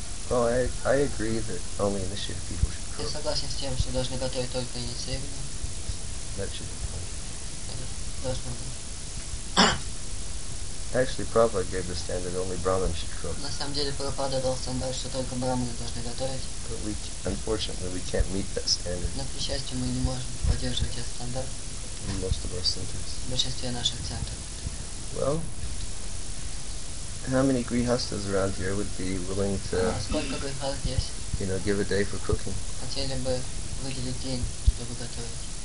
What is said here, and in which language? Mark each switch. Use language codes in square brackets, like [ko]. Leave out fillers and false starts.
[en] Well, I agree that only initiated people should cook. [ru] Я согласен с тем, что должны готовить только инициативные. [en] That should be fine. Actually, Prabhupada gave the standard only Brahman should cook. [ru] На самом деле, Прабхупада дал стандарт, что только брахманы должны готовить. [en] But we, unfortunately, we can't meet that standard. [ru] Но, к счастью, мы не можем поддерживать этот стандарт. [en] In most of our centers. [ru] В большинстве наших центров. [en] Well, how many grihasthas around here would be willing to, [ru] сколько грихас здесь? [en] You know, give a day for cooking? [ru] Хотели бы выделить день, чтобы готовить.